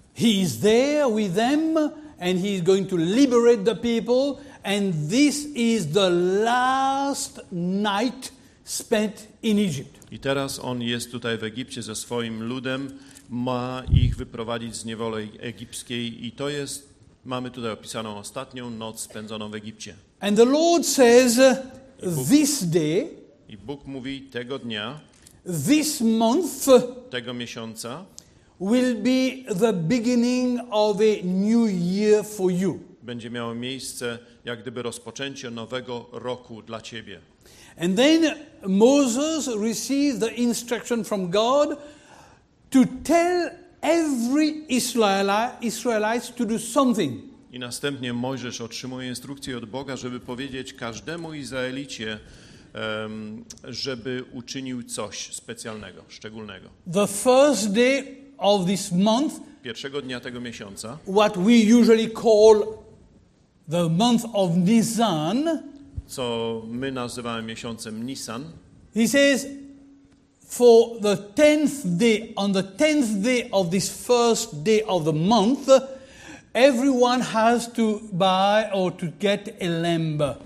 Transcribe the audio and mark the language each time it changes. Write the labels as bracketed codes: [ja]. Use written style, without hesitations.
[en] He is there with them and he is going to liberate the people and this is the last night spent in Egypt. [pl] I teraz on jest tutaj w Egipcie ze swoim ludem, ma ich wyprowadzić z niewoli egipskiej i to jest, mamy tutaj opisaną ostatnią noc spędzoną w Egipcie. [en] And the Lord says this day, [pl] i Bóg mówi tego dnia, [en] this month, [pl] tego miesiąca, [en] will be the beginning of a new year for you. [pl] Będzie miało miejsce, jak gdyby rozpoczęcie nowego roku dla ciebie. [en] And then Moses received the instruction from God to tell every Israelite to do something. [pl] I następnie Mojżesz otrzymuje instrukcję od Boga, żeby powiedzieć każdemu Izraelicie, żeby uczynił coś specjalnego, szczególnego. [en] The first day of this month, [pl] pierwszego dnia tego miesiąca, [en] what we usually call the month of Nisan, [pl] co my nazywamy miesiącem Nisan, [en] he says, for the tenth day, on the tenth day of this first day of the month, everyone has to buy or to get a lamb.